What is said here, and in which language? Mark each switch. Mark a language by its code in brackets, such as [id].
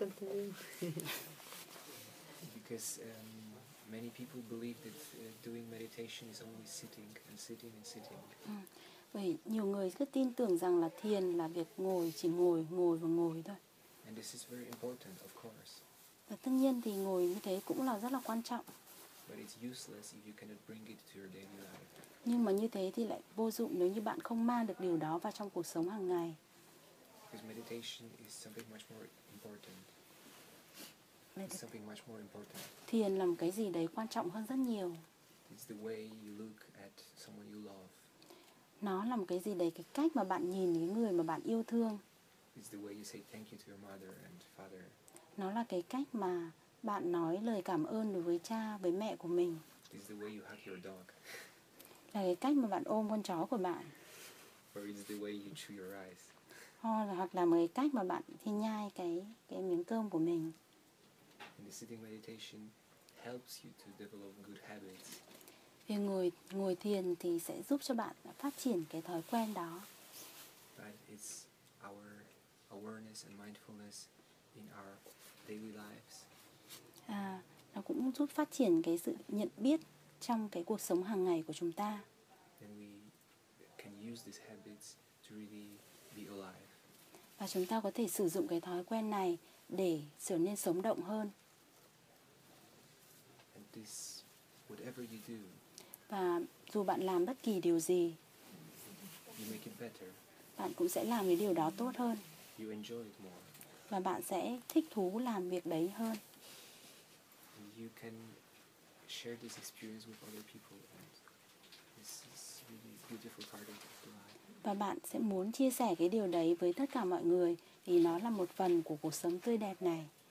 [en] Because many people believe that doing meditation is only sitting and sitting and sitting. [vi] Vậy nhiều người cứ tin tưởng rằng là thiền là việc ngồi, chỉ ngồi, ngồi và ngồi thôi. [en] And this is very important, of course. [vi] Và tất nhiên thì ngồi như thế cũng là rất là quan trọng. [en] But it's useless if you cannot bring it to your daily life. [vi] Nhưng mà như thế thì lại vô dụng nếu như bạn không mang được điều đó vào trong cuộc sống hàng ngày. [en] Because meditation is something much more important. It's something much more important. [vi] Thiền là một cái gì đấy quan trọng hơn rất nhiều. [en] It's the way you look at someone you love. [vi] Nó là một cái gì đấy, cái cách mà bạn nhìn cái người mà bạn yêu thương. [en] It's the way you say thank you to your mother and father. [vi] Nó là cái cách mà bạn nói lời cảm ơn đối với cha, với mẹ của mình. [en] It's the way you hug your dog. [vi] Là cái cách mà bạn ôm con chó của bạn. [en] Or is the way you chew your eyes. [vi] Hoặc là một cái cách mà bạn thì nhai cái miếng cơm của mình. [en] And the sitting meditation helps you to develop good habits. [vi] Vì ngồi thiền thì sẽ giúp cho bạn phát triển cái thói quen đó. [en] But it's our awareness and mindfulness in our daily lives. [vi] À, nó cũng giúp phát triển cái sự nhận biết trong cái cuộc sống hàng ngày của chúng ta. [en] And we can use these habits to really be alive. [vi] Và chúng ta có thể sử dụng cái thói quen này để trở nên sống động hơn. [en] And this, whatever you do, [vi] và dù bạn làm bất kỳ điều gì, [en] you make it better. [vi] Bạn cũng sẽ làm cái điều đó tốt hơn. [en] You enjoy it more. [vi] Và bạn sẽ thích thú làm việc đấy hơn. [en] And you can share this experience with other people, and this is really a beautiful part of life. [vi] Và bạn sẽ muốn chia sẻ cái điều đấy với tất cả mọi người vì nó là một phần của cuộc sống tươi đẹp này.